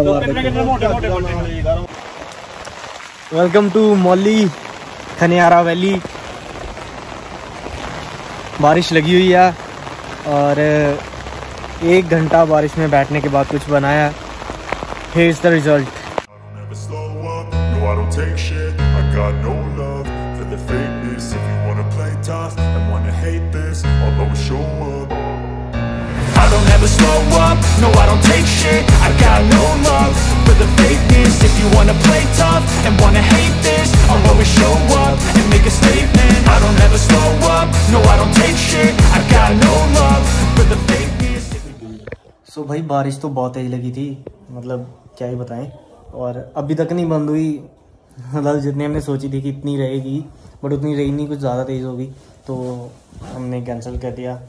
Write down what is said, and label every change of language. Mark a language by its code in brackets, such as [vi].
[hi] है। Welcome to Mauli Khaniyara valley, बारिश लगी हुई है और एक घंटा बारिश में बैठने के बाद कुछ बनाया। [en] Here's the result. I don't ever slow up, no I don't take shit. I got no love for the fakeness. If you wanna play tough and wanna hate this, I'll always show up. I don't ever slow up, no I don't take shit. I got no love for the fakeness. If you wanna play tough and wanna hate this, I'll always show up and make a statement. I don't ever slow up, no I don't take shit. I got no love for the fakeness. [hi] So bhai barish to bahut tez lagi thi, मतलब क्या ही बताएं, और अभी तक नहीं बंद हुई, मतलब जितनी हमने सोची थी कि इतनी रहेगी बट उतनी रही नहीं, कुछ ज़्यादा तेज़ होगी तो हमने कैंसिल कर दिया।